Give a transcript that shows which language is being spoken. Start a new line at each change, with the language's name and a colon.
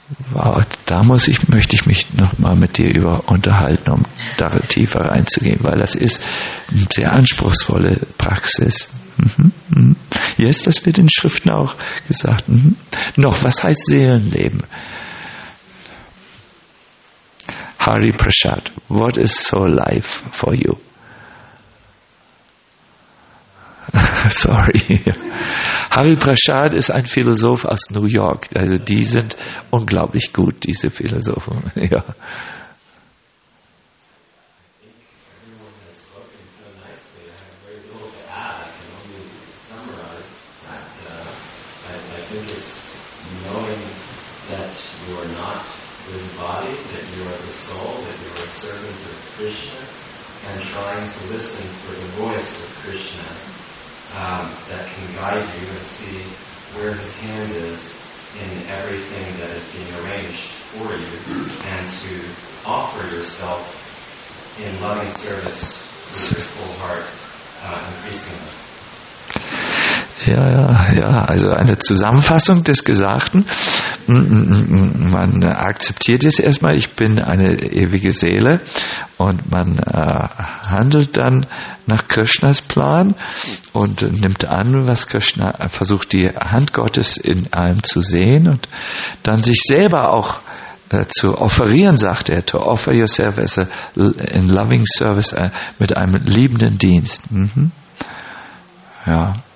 German: Wow, da möchte ich mich nochmal mit dir über unterhalten, um da tiefer reinzugehen, weil das ist eine sehr anspruchsvolle Praxis. Jetzt, das wird in Schriften auch gesagt. Noch, was heißt Seelenleben?
English: Hari Prasad, what is soul life for you? Sorry.
German: Hari Prasad ist ein Philosoph aus New York. Also die sind unglaublich gut, diese Philosophen. Ja.
English: Knowing like servants of Krishna and trying to listen for the voice of Krishna that can guide you and see where his hand is in everything that is being arranged for you, and to offer yourself in loving service with your full heart increasingly.
German: Ja, ja, ja, also eine Zusammenfassung des Gesagten. Man akzeptiert jetzt erstmal, ich bin eine ewige Seele, und man handelt dann nach Krishnas Plan und nimmt an, was Krishna versucht, die Hand Gottes in allem zu sehen, und dann sich selber auch zu offerieren, sagt er,
English: to offer yourself as a in loving service,
German: mit einem liebenden Dienst. Mhm. Ja.